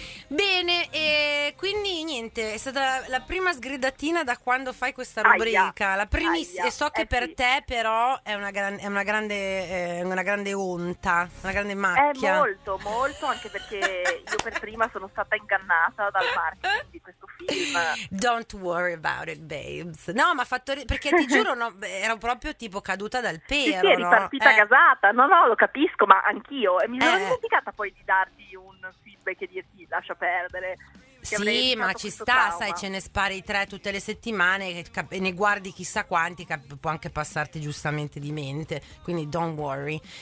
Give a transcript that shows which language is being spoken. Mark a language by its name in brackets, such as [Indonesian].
[Italian] Bene, e quindi niente, è stata la prima sgridatina da quando fai questa rubrica. La primissima, e so che per sì. te però è una grande onta, una grande macchia. È molto, molto, anche perché io per prima sono stata ingannata dal marketing di questo film. [English] Don't worry about it, babes. [Italian] No, ma fatto perché ti giuro, no, ero proprio tipo caduta dal pero. Sì, sì, no? è ripartita gasata. No, no, lo capisco, ma anch'io. E mi sono dimenticata poi di darti un feedback e dirti lascia perdere. Sì, ma ci sta, trauma. Sai, ce ne spari tre tutte le settimane e ne guardi chissà quanti, può anche passarti giustamente di mente, quindi [English] don't worry.